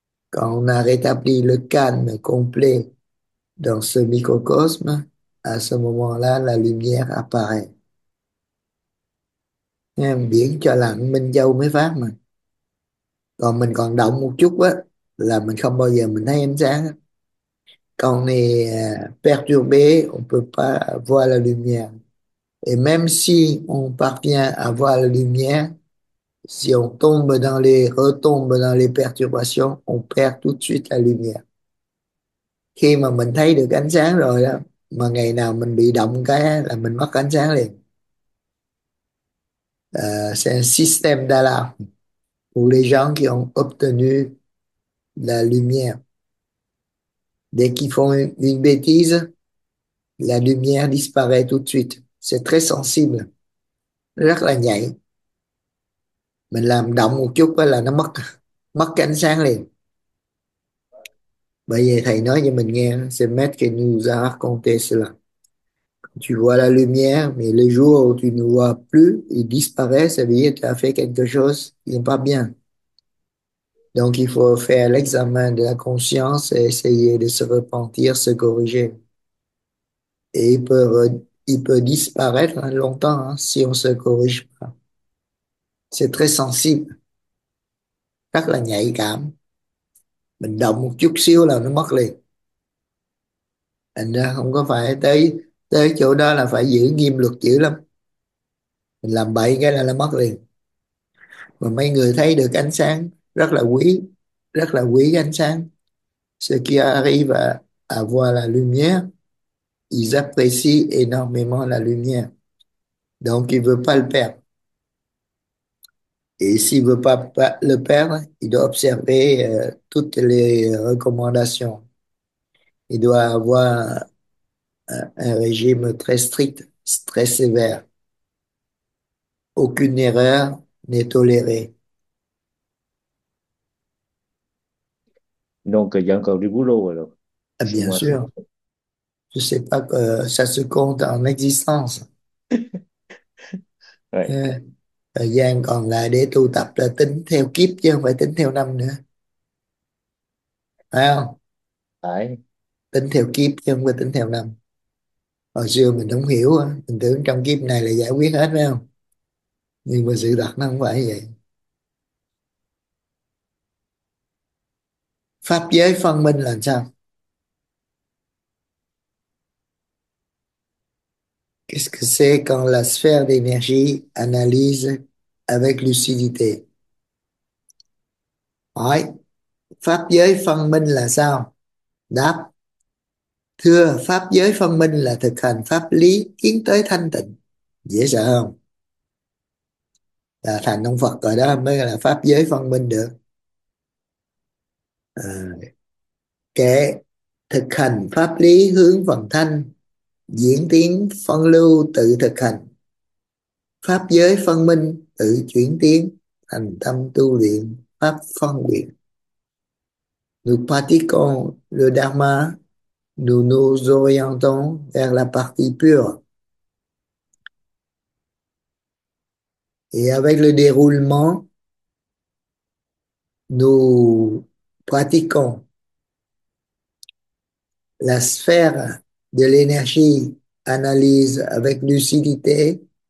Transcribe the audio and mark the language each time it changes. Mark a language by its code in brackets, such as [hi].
[fr] Còn on a rétabli le calme complet dans ce microcosme, à ce moment-là, la lumière apparaît. [vi] Biển cho lặng minh châu mới phát mà. Còn mình còn động một chút á là mình không bao giờ mình thấy ánh sáng. [fr] Còn này perturbé, on peut pas voir la lumière. Et même si on parvient à voir la lumière, si on tombe dans les retombe dans les perturbations, on perd tout de suite la lumière. [vi] Khi mà mình thấy được ánh sáng rồi đó, mà ngày nào mình bị động cái là mình mất ánh sáng liền. [fr] C'est un système d'alarme. pour les gens qui ont obtenu la lumière. Dès qu'ils font une bêtise, la lumière disparaît tout de suite. C'est très sensible. [vi] Rất là nhạy. Mình làm động một chút là nó mất mất ánh sáng liền. Bởi vậy thầy nói cho mình nghe, [fr] c'est maître qui nous a raconté cela. Tu vois la lumière, mais le jour où tu ne vois plus, il disparaît, ça veut dire que tu as fait quelque chose qui n'est pas bien. Donc, il faut faire l'examen de la conscience et essayer de se repentir, se corriger. Et il peut disparaître longtemps hein, si on ne se corrige pas. C'est très sensible. [vi] Rất là nhạy cảm. Mình động một chút xíu là nó mất liền. Thành ra không có phải tới tới chỗ đó là phải giữ nghiêm luật dữ lắm. Mình làm bậy cái là nó mất liền. Mà mấy người thấy được ánh sáng rất là quý. Rất là quý ánh sáng. [fr] Ce qui arrive à voir la lumière, ils apprécient énormément la lumière. Donc, ils ne veulent pas le perdre. Et s'il ne veut pas le perdre, il doit observer toutes les recommandations. Il doit avoir un régime très strict, très sévère. Aucune erreur n'est tolérée. Donc, il y a encore du boulot, alors, si Bien moi je sûr, comprends. je ne sais pas que ça se compte en existence. [vi] Thời gian còn lại để tu tập là tính theo kiếp chứ không phải tính theo năm nữa. Phải không? Đấy. Tính theo kiếp chứ không phải tính theo năm. Hồi xưa mình không hiểu á, mình tưởng trong kiếp này là giải quyết hết phải không? Nhưng mà sự thật nó không phải vậy. Pháp giới phân minh là sao? [fr] Qu'est-ce que c'est quand la sphère d'énergie analyse avec lucidité? [vi] Hỏi, pháp giới phân minh là sao? Đáp, thưa, pháp giới phân minh là thực hành pháp lý tiến tới thanh tịnh. Dễ sợ không? Là thành ông Phật rồi đó mới là pháp giới phân minh được. Kể, thực hành pháp lý hướng vận thanh, diễn tiến phân lưu tự thực hành. Pháp giới phân minh tự chuyển tiến thành tâm tu luyện pháp phân biệt. [fr] Nous pratiquons le Dharma, nous nous orientons vers la partie pure. Et avec le déroulement, nous pratiquons la sphère de l'énergie analyse avec lucidité.